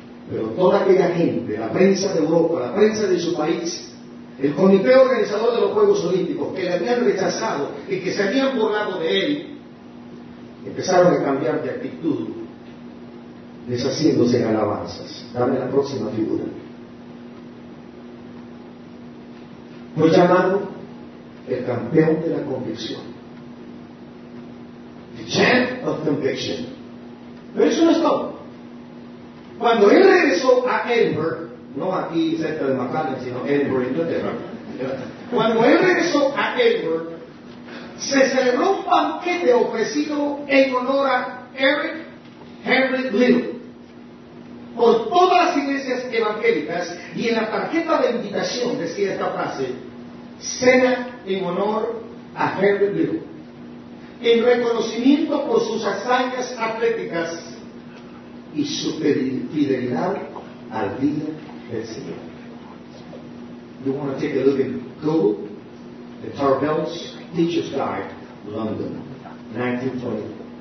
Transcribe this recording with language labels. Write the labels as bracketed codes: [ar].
[es] Pero toda aquella gente, la prensa de Europa, la prensa de su país, el comité organizador de los Juegos Olímpicos, que le habían rechazado y que se habían burlado de él, empezaron a cambiar de actitud, deshaciéndose en alabanzas. Dame la próxima figura. Fue llamado el campeón de la convicción. [en] The champ of conviction. [es] Pero eso no es todo. Cuando él regresó a Edinburgh, no aquí cerca de McAllen, sino Edinburgh, Inglaterra. Cuando él regresó a Edinburgh, se celebró un banquete ofrecido en honor a Eric Henry Little por todas las iglesias evangélicas, y en la tarjeta de invitación decía esta frase: cena en honor a Henry Little, en reconocimiento por sus hazañas atléticas y su fidelidad al día del Señor. [en] You want to take a look at Google? The Tar Heels Teacher's Guide, London, 1920.